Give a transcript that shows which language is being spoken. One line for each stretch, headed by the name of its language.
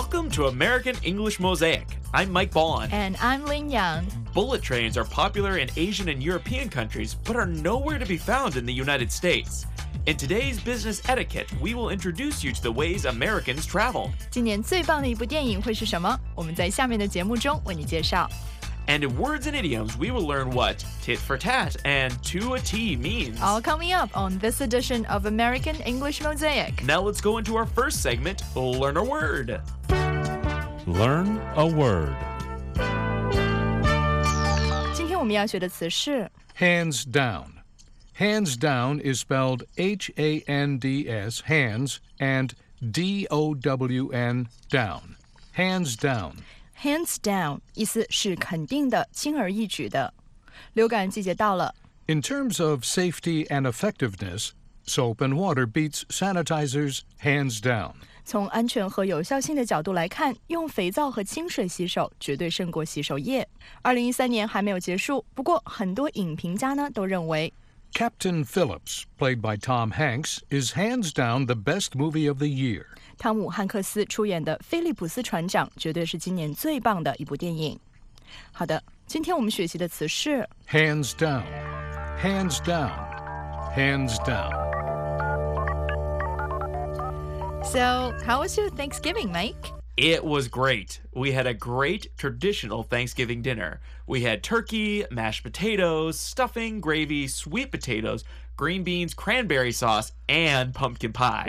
English: to American English Mosaic. I'm Mike Bolan. And I'm Lin Yang. Bullet trains are popular in Asian and European countries, but are nowhere to be found in the United States. In today's business etiquette, we will introduce you to the ways Americans travel.
Chinese: 今年最棒的一部电影会是什么？我们在下面的节目中为你介绍。
English: And in words and idioms, we will learn what tit for tat and to a T means. All coming up on this edition of American English Mosaic. Now let's go into our first segment, Learn a Word. Learn a Word.
Chinese: 今天我们要学的词是
English: Hands down. Hands down is spelled H-A-N-D-S, hands, and D-O-W-N, down. Hands down.
Chinese: Hands down, 意思是肯定的,轻而易举的。流感季节到了。
English: In terms of safety and effectiveness, soap and water beats sanitizers hands down.
Chinese: 从安全和有效性的角度来看,用肥皂和清水洗手绝对胜过洗手液。 2013年还没有结束,不过很多影评家呢都认为
English: Captain Phillips, played by Tom Hanks, is hands down the best movie of the year.
Chinese: 汤姆·汉克斯出演的《菲利普斯船长》绝对是今年最棒的一部电影。好的，今天我们学习的词是
English: Hands down, hands down, hands down. So, how was your Thanksgiving, Mike? It was great. We had a great traditional Thanksgiving dinner. We had turkey, mashed potatoes, stuffing, gravy, sweet potatoes,green beans, cranberry sauce, and pumpkin pie.